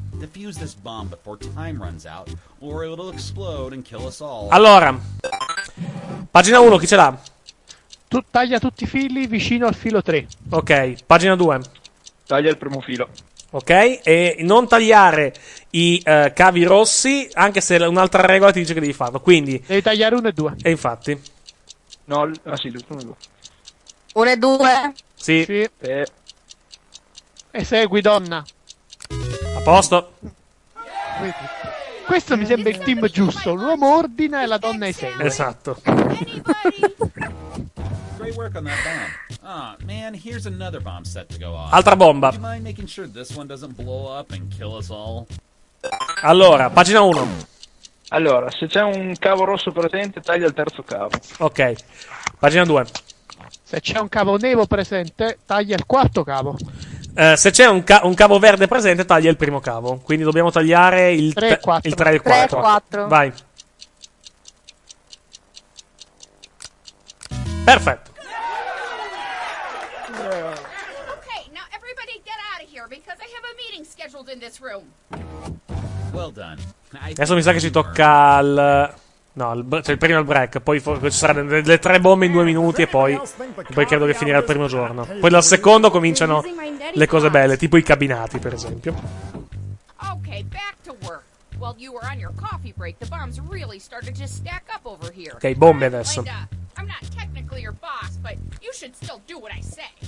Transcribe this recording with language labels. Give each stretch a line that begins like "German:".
English: Defuse this bomb before time runs out, or it'll explode and kill us all.
Italian: Allora, pagina 1, chi ce l'ha? Tu taglia tutti i fili vicino al filo 3. Ok, pagina 2. Taglia il primo filo. Ok, e non tagliare i cavi rossi, anche se un'altra regola ti dice che devi farlo. Quindi devi tagliare 1 e 2. E infatti. No, ah sì, 1 e 2. 1 e 2. Sì. Sì. E segui, donna. A posto. Questo mi sembra il team giusto. L'uomo ordina e la donna esegue. Esatto.
English: Work on that bomb. Ah, man, here's another bomb set to go off.
Italian: Altra bomba.
English: Do you mind making sure this one doesn't blow up and kill us all?
Italian: Allora, pagina 1. Allora, se c'è un cavo rosso presente, taglia il terzo cavo. Ok. Pagina 2. Se c'è un cavo nero presente, taglia il quarto cavo. Se c'è un cavo verde presente, taglia il primo cavo. Quindi dobbiamo tagliare il 3 e 4. Il 3 e 4. 4. Vai. Perfetto.
English: Okay, now everybody get out of here because I have a meeting scheduled in this room. Well done.
Italian: Adesso mi sa che ci tocca al no, cioè il primo break, poi ci saranno le tre bombe in due minuti e poi credo che finirà il primo giorno. Poi dal secondo cominciano le cose belle, tipo i cabinati, per esempio.
English: Okay, back to work. While you were on your coffee break, the bombs really started to stack up over here. Okay,
Italian: bombe adesso.
English: I'm not technically your boss, but you should still do what I say.